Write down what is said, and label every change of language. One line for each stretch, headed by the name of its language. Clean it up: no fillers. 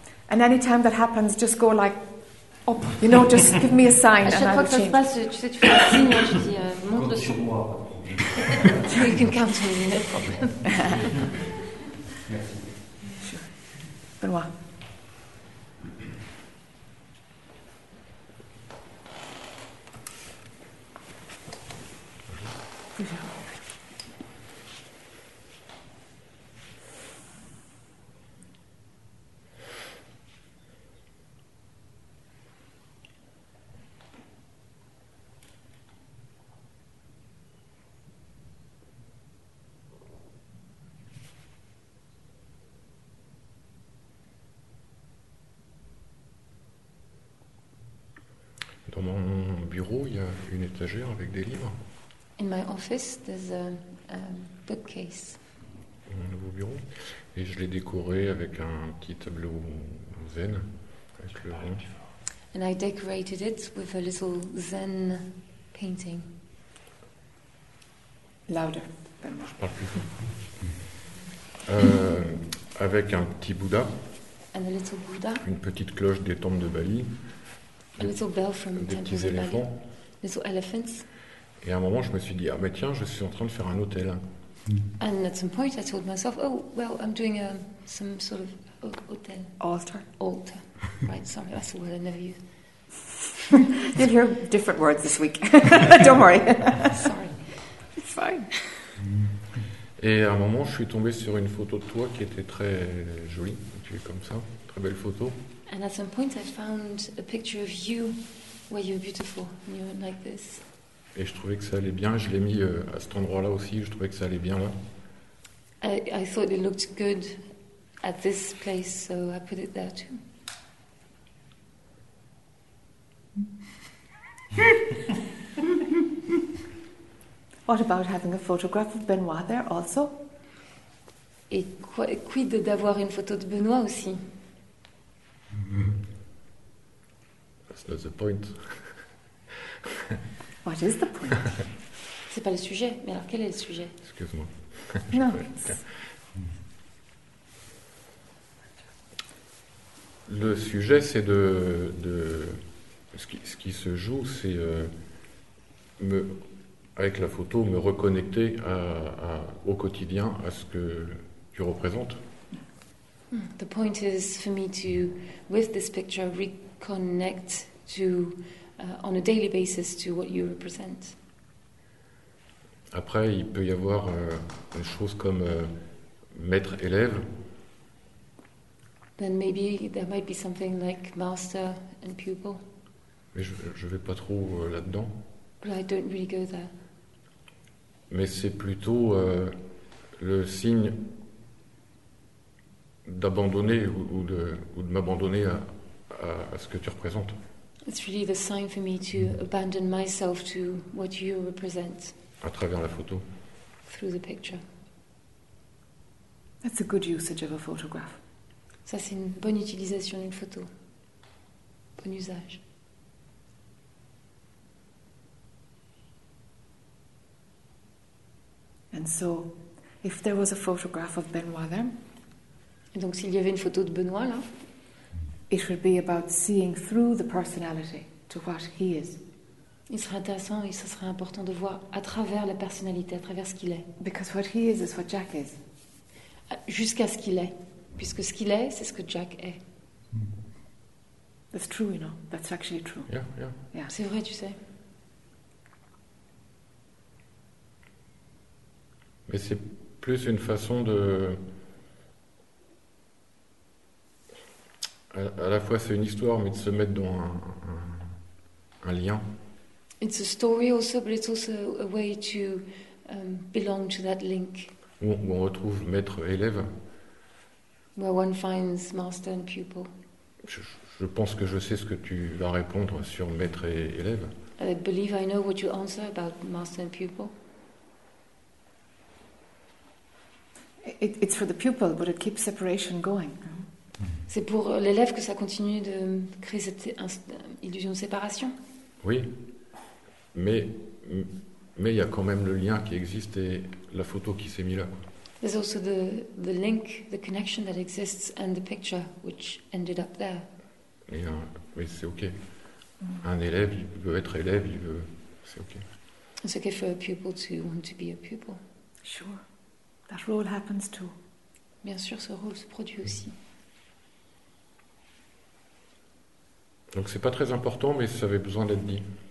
English: And any time that happens, just go like, up. You know, just give me a sign.
French: À chaque fois que ça se passe, tu sais, tu fais un signe, moi, je dis, monte le son.
English: You can count on me, no problem.
French: Merci. Benoît. Dans mon bureau, il y a une étagère avec des livres.
English: In my office, there's a bookcase.
French: Mon nouveau bureau. Et je l'ai décoré avec un petit tableau zen. avec le rond.
English: And I decorated it with a little Zen painting. Louder.
French: Je parle plus fort. Avec un petit Bouddha.
English: And a little Buddha.
French: Une petite cloche des tombes de Bali.
English: A little bell from
French: des petits éléphants.
English: Little elephants.
French: Et à un moment, je me suis dit, ah ben tiens, je suis en train de faire un hôtel.
English: And at some point, I told myself, oh well, I'm doing some sort of hotel. Altar. Altar. Right. Sorry, that's a word I never use. You'll hear different words this week. Don't worry. Sorry. It's fine.
French: Et à un moment, je suis tombé sur une photo de toi qui était très jolie. Tu es comme ça, très belle photo.
English: And at some point, I found a picture of you where you're beautiful and you're like this.
French: Et je trouvais que ça allait bien. Je l'ai mis à cet endroit-là aussi. Je trouvais que ça allait bien là.
English: I thought it looked good at this place, so I put it there too. What about having a photograph of Benoît there also?
French: Et quid d'avoir une photo de Benoît aussi?
English: That's not the point. What is the point?
French: C'est pas le sujet, mais alors quel est le sujet? Excuse-moi.
English: No.
French: Le sujet, c'est de ce qui se joue, c'est avec la photo, me reconnecter au quotidien à ce que tu représentes.
English: The point is for me to, with this picture, reconnect to. On a daily basis to what you represent.
French: Après, il peut y avoir des choses comme maître-élève.
English: Then maybe there might be something like master and pupil.
French: Mais je vais pas trop là-dedans.
English: But I don't really go there.
French: Mais c'est plutôt le signe d'abandonner ou de m'abandonner à ce que tu représentes.
English: It's really the sign for me to abandon myself to what you represent.
French: À travers la photo.
English: Through the picture. That's a good usage of a photograph.
French: Ça, c'est une bonne utilisation d'une photo. Bon usage.
English: And so, if there was a photograph of Benoît there.
French: Et donc, s'il y avait une photo de Benoît là.
English: It would be about seeing through the personality to what he is.
French: Il serait intéressant et ce serait important de voir à travers la personnalité, à travers ce qu'il est.
English: Because what he is what Jack is.
French: Jusqu'à ce qu'il est. Puisque ce qu'il est, c'est ce que Jack est.
English: That's true, you know. That's actually true. Yeah.
French: C'est vrai, tu sais. Mais c'est plus une façon de... À la fois, c'est une histoire, mais de se mettre dans un lien.
English: It's a story also, but it's also a way to belong to that link.
French: Où on retrouve maître-élève.
English: Where one finds master and pupil.
French: Je pense que je sais ce que tu vas répondre sur maître et élève.
English: I believe I know what you answer about master and pupil. It's for the pupil, but it keeps separation going.
French: C'est pour l'élève que ça continue de créer cette illusion de séparation. Oui, mais il y a quand même le lien qui existe et la photo qui s'est mise là.
English: There's also the link, the connection that exists and the picture which ended up there.
French: Et mais c'est ok. Un élève, il veut être élève, il veut, c'est ok.
English: It's okay for a pupil to want to be a pupil. Sure, that role happens too.
French: Bien sûr, ce rôle se produit aussi. Donc c'est pas très important, mais ça avait besoin d'être dit.